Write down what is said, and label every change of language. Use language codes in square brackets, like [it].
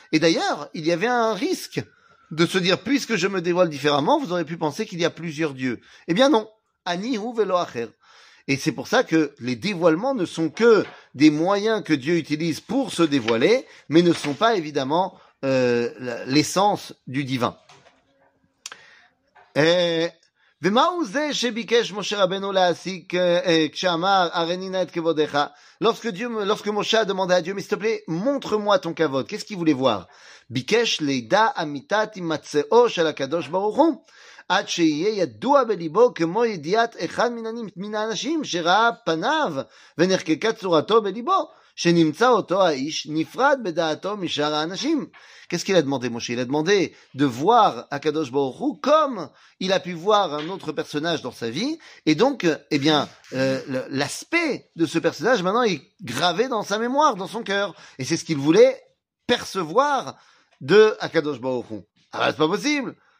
[fr] Et d'ailleurs, il y avait un risque de se dire, puisque je me dévoile différemment, vous aurez pu penser qu'il y a plusieurs dieux. Eh bien non, [he] ani hu velo acher. [fr] Et c'est pour ça que les dévoilements ne sont que des moyens que Dieu utilise pour se dévoiler, mais ne sont pas évidemment l'essence du divin. [he] ומהו זה שביקש משה רבנו להסיק כשאמר הרני נא את כבודך? [fr] Lorsque Moshe a demandé à Dieu, mais s'il te plaît, montre-moi ton kavod. Qu'est-ce qu'il voulait voir? [he] ביקש לידע אמיתת מצאו של הקדוש ברוך הוא, עד שיהיה ידוע בליבו כמו ידיעת אחד מן האנשים שראה פניו ונחקקה צורתו בליבו, שנמצא אותו האיש נפרד בדעתו משאר האנשים. [fr] Qu'est-ce qu'il a demandé, Moshe? Il a demandé de voir Akadosh Baruch Hu comme il a pu voir un autre personnage dans sa vie. Et donc, eh bien, l'aspect de ce personnage, maintenant, est gravé dans sa mémoire, dans son cœur. Et c'est ce qu'il voulait percevoir de Akadosh Baruch Hu. Ah ben, c'est pas possible.